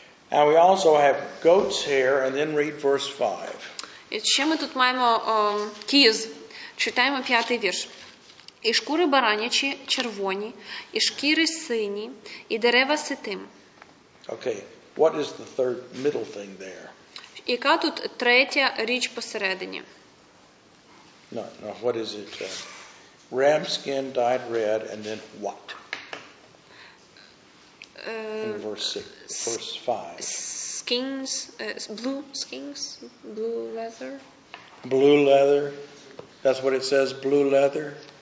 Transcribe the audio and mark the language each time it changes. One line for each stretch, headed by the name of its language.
English: Now we also have goat's hair, and then read verse 5.
Ukrainian: І ще ми тут маємо кіз. Читаємо п'ятий вірш. І шкури баранячі червоні, і шкіри сині, і дерева ситим.
English: Okay. What is the third middle thing there?
Ukrainian: Яка тут третя річ посередині?
English: No, what is it? Ram skin dyed red and then what? In verse 5. Skins, blue skins, blue leather. Blue leather. That's what it says, blue leather.